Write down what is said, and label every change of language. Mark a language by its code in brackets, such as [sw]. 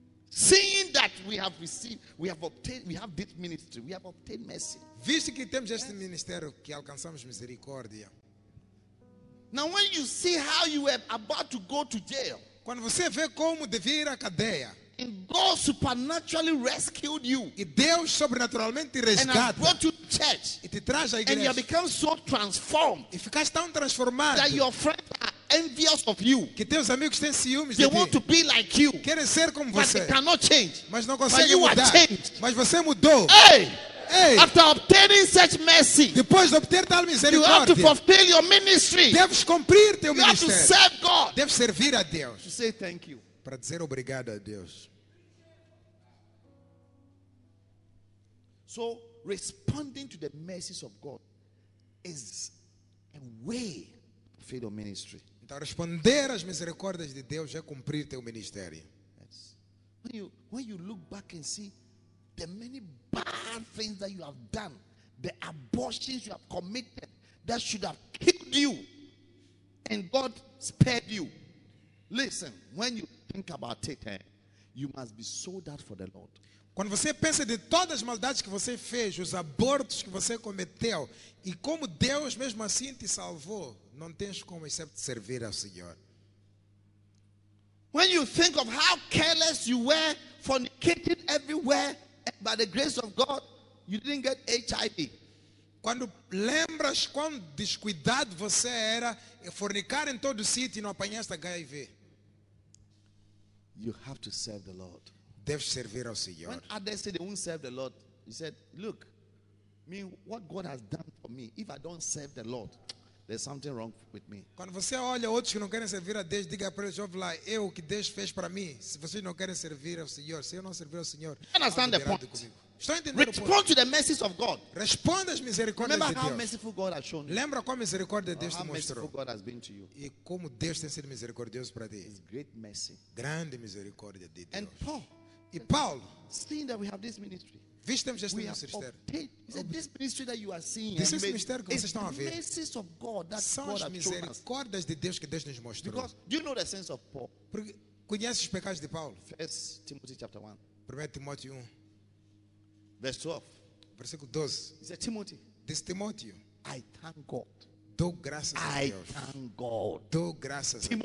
[en] Seeing that we have received, we have obtained, we have this ministry, we have obtained mercy. [pt] Visto que temos este ministério, que alcançamos misericórdia. [en] Now when you see how you were about to go to jail. [pt] Quando você vê como devia ir a cadeia. [en] And God supernaturally rescued you. [pt] E Deus sobrenaturalmente resgata. [en] And I brought you to church. [pt] E te traz à igreja. [en] And you become so transformed. [pt] E ficaste tão transformado. [en] That your friends are envious of you. [pt] Que teus amigos têm ciúmes [en] they [pt] de ti. [en] Want to be like you. [pt] Querem ser como [en] but [pt] você. [en] They cannot change. [pt] Mas não conseguem [en] but you [pt] mudar. [en] Are changed. [pt] Mas você mudou. Hey! Hey! [en] After obtaining such mercy. [pt] Depois de obter tal misericórdia. [en] You have to fulfill your ministry. [pt] Deves cumprir teu [en] you [pt] ministério. [en] Have to serve God. [pt] Deves servir a Deus. [en] To say thank you. [pt] Para dizer obrigado a Deus. [en] So, responding to the mercies of God is a way to fulfill your ministry. [pt] Então, responder às misericórdias de Deus é cumprir teu ministério. [en] Yes. When you look back and see the many bad things that you have done, the abortions you have committed that should have killed you and God spared you. Listen, when you think about it, you must be sold out for the Lord. [pt] Quando você pensa de todas as maldades que você fez, os abortos que você cometeu, e como Deus mesmo assim te salvou, não tens como excepto servir ao Senhor. [en] When you think of how careless you were, fornicated everywhere, and by the grace of God, you didn't get HIV. [pt] Quando lembras quão descuidado você era, fornicar em todo o sítio e não apanhaste HIV. [en] You have to serve the Lord. [pt] Deve servir ao Senhor. [en] When others say they won't serve the Lord, he said, look, me, what God has done for me, if I don't serve the Lord, there's something wrong with me. [pt] Quando você olha outros que não querem servir a Deus, diga para eles, ouve lá, eu, o que Deus fez para mim, se vocês não querem servir ao Senhor, se eu não servir ao Senhor, [en] understand the point. [pt] Estou entendendo [en] respond [pt] o ponto. [en] To the mercies of God. [pt] Responda às misericórdias [en] remember [pt] de Deus. [en] Remember how merciful God has shown you. [pt] Lembra qual misericórdia Deus [en] how [pt] te mostrou. [en] Merciful God has been to you. [pt] E como Deus tem sido misericordioso para ti. [en] His great mercy. [pt] Grande misericórdia de Deus. [en] And Paul. [pt] E Paulo, [en] seeing that we have this ministry, [pt] vistemos este ministério. Disse esse ministério que vocês estão a ver. [en] Of God that [pt] são [en] God [pt] as misericórdias de Deus que Deus nos mostrou. [en] Because, do you know the sense of Paul? [pt] Porque conheces os pecados de Paulo? [en] 1 Timóteo, chapter 1. [pt] 1 Timóteo 1. [en] Verse 12. [pt] Versículo 12. [en] He said, Timothy, [pt] diz Timóteo. [en] I thank God. [pt] Dou graças a Deus. [en] I thank God. [pt] Dou graças Timo,